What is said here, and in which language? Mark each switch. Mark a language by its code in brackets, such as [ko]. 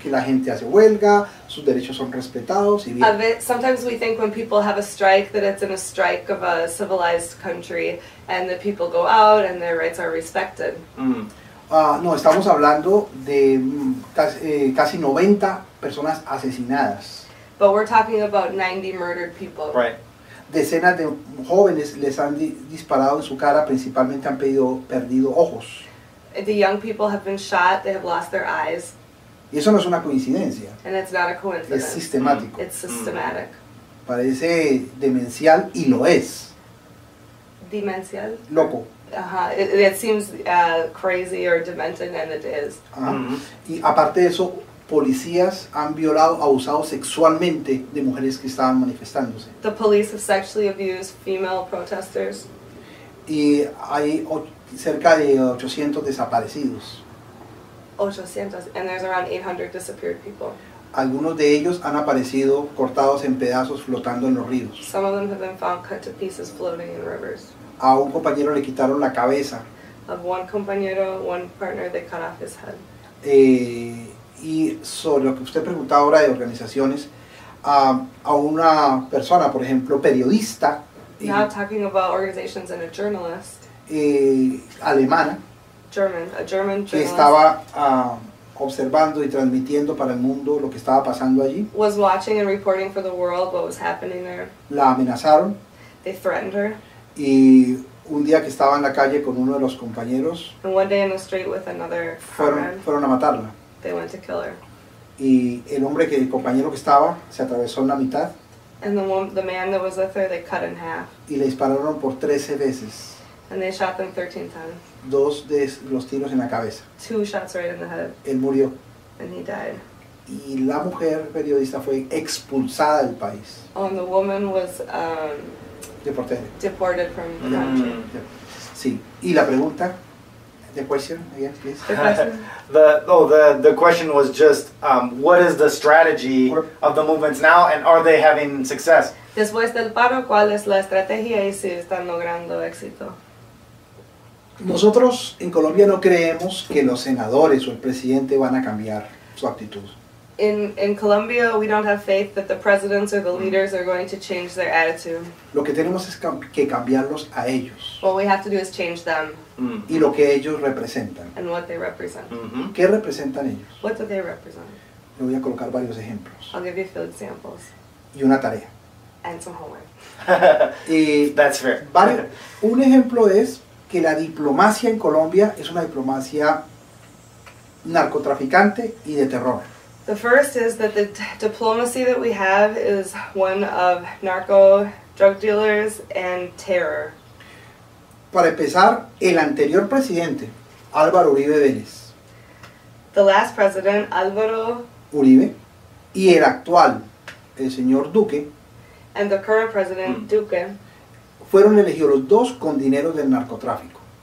[es] Que la gente hace huelga, sus derechos son respetados y bien. [en] Sometimes we think when people have a strike that it's in a strike of a civilized country and that people go out and their rights are respected. [es] No, estamos hablando de casi 90 personas asesinadas. [en] But we're talking about 90 murdered people. Right. [es] Decenas de jóvenes les han disparado en su cara, principalmente han perdido ojos. [en] The young people have been shot, they have lost their eyes. [es] Y eso no es una coincidencia. [en] And it's not a coincidence. [es] Es sistemático. [en] It's systematic. [es] Parece demencial y lo es. Demencial? Loco. Uh-huh. [en] It seems crazy or demented, and it is. Uh-huh. Uh-huh. [es] Y aparte de eso, policías han violado, abusado sexualmente de mujeres que estaban manifestándose. [en] The police have sexually abused female protesters. [es] Y hay cerca de 800 desaparecidos. [en] 800, and there's around 800 disappeared people. [es] Algunos de ellos han aparecido cortados en pedazos flotando en los ríos. [en] Some of them have been found cut to pieces floating in rivers. [es] A un compañero le quitaron la cabeza. [en] Of one compañero, one partner, they cut off his head. [es] Y sobre lo que usted preguntaba ahora de organizaciones, a una persona, por ejemplo, periodista. [en] Now talking about organizations and a journalist. [es] Alemana. [en] German, a German journalist. [es] Que estaba observando y transmitiendo para el mundo lo que estaba pasando allí. [en] Was watching and reporting for the world what was happening there. [es] La amenazaron. [en] They threatened her. [es] Y un día que estaba en la calle con uno de los compañeros. [en] And one day in the street with another comrade. [es] Fueron a matarla. [en] They went to kill her. [es] Y el hombre que el compañero que estaba se atravesó en la mitad. [en] And the man that was with her, they cut in half. [es] Y le dispararon por 13 veces. [en] And they shot them 13 times. [es] Dos de los tiros en la cabeza. [en] Two shots right in the head. [es] Él murió. [en] And he died. [es] Y la mujer periodista fue expulsada del país. [en] Oh, and the woman was deported. Deported from the country. [es] Sí. Y la pregunta [en] The question again, please. the question was just what is the strategy of the movements now, and are they having success? [es] Después del paro, ¿cuál es la estrategia y si están logrando éxito? Nosotros en Colombia no creemos que los senadores o el presidente van a cambiar su actitud. [en] In Colombia, we don't have faith that the presidents or the leaders are going to change their attitude. [es] Lo que tenemos es que cambiarlos a ellos. [en] What we have to do is change them. [es] Y lo que ellos representan. [en] And what they represent. [es] Mm-hmm. ¿Qué representan ellos? [en] What do they represent? [es] Le voy a colocar varios ejemplos. [en] I'll give you a few examples. [es] Y una tarea. [en] And some homework. That's fair. [es] Vale. Un ejemplo es que la diplomacia en Colombia es una diplomacia narcotraficante y de terror. [en] The first is that the diplomacy that we have is one of narco drug dealers and terror. [es] Para empezar, el anterior presidente, Álvaro Uribe Vélez. [en] The last president, Álvaro [es] Uribe, y el actual, el señor Duque. [en] And the current president, Duque. [es] Fueron elegidos los dos con dinero del narcotráfico.